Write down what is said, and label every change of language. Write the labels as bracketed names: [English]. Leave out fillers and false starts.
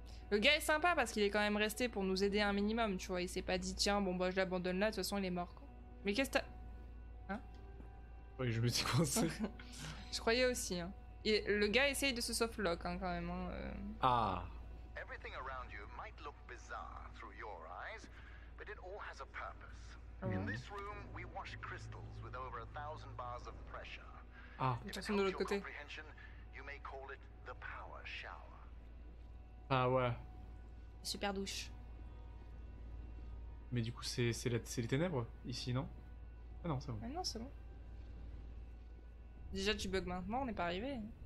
[French] Le gars est sympa parce qu'il est quand même resté pour nous aider un minimum, tu vois. Il s'est pas dit, tiens, bon, bah je l'abandonne là, de toute façon, il est mort, quoi. Mais qu'est-ce que t'as. Hein? Oui, je me suis coincé. Je croyais aussi, hein. Et le gars essaye de se softlock, hein, quand même. Hein, Ah. [English] Everything around you might look bizarre through your eyes, but it all has a purpose. Mm. In this room, we wash crystals with over 1,000 bars of pressure. Ah, if it helps your comprehension, you may call it the power shower. [French] Ah ouais. Super douche. Mais du coup, c'est les ténèbres ici, non? Ah non, c'est bon. Mais non, c'est bon. Déjà, tu bugs maintenant, on n'est pas arrivé.